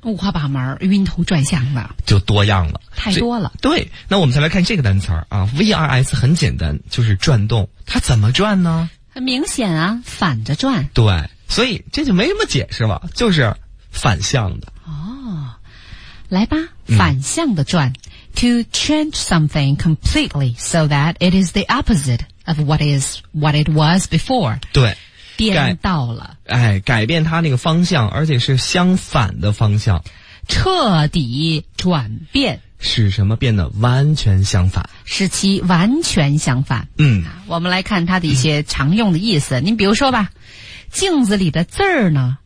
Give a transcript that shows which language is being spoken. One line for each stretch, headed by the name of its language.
Chinese: 五花八门，晕头转向的，就多样了，太多了。对，那我们再来看这个单词啊， VRS 很简单，就是转动。它怎么转呢？很明显啊，反着转。对，所以这就没什么解释了，就是反向的。哦，来吧，反向的转。嗯，
English: To change something completely so that it is the opposite of what is what it was before.
Chinese: 对，颠倒了。哎，改变它那个方向，而且是相反的方向。彻底转变。使什么变得完全相反？使其完全相反。嗯，我们来看它的一些常用的意思。您比如说吧，镜子里的字儿呢，